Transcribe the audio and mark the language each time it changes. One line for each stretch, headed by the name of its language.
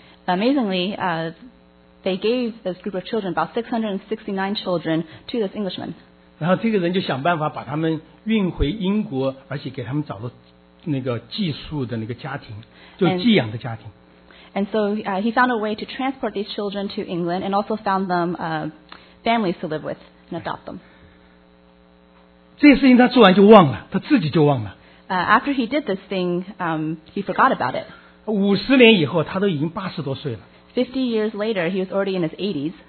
English: Amazingly, they gave this group of children about 669 children to this Englishman.
Chinese: 然后这个人就想办法把他们。运回英国，而且给他们找了那个寄宿的那个家庭，就寄养的家庭。
English: And so he found a way to transport these children to England, and also found them families to live with. and adopt them.
Chinese: 这事情他做完就忘了，他自己就忘了。
English: After he did this thing, he forgot about it.
Chinese: 50年以后，他都已经80多岁了。
English: 50 years later, he was already in his 80s.